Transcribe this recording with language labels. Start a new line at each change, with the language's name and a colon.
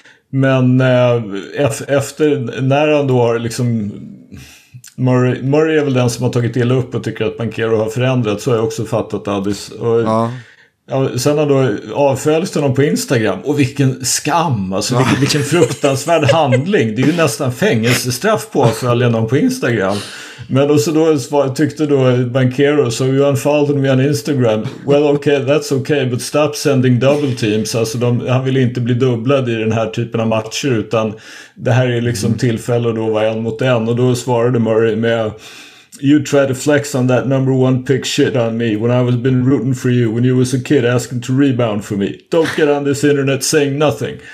Swedish: Men efter när han då har liksom, Murray är väl den som har tagit illa upp och tycker att Banchero har förändrats, så har jag också fattat Addis. Sen har då avföljts honom på Instagram. Och vilken skam, alltså, vilken fruktansvärd handling. Det är ju nästan fängelsestraff på att följa någon på Instagram. Men och så då tyckte då Banchero,
English: "So you unfollowed me on Instagram. Well, okay, that's okay, but stop sending double teams."
Swedish: Alltså han vill inte bli dubblad i den här typen av matcher, utan det här är liksom tillfälle då, var en mot en. Och då svarade Murray med:
English: "You try to flex on that number one pick shit on me when I was been rooting for you when you was a kid asking to rebound for me. Don't get on this internet saying nothing."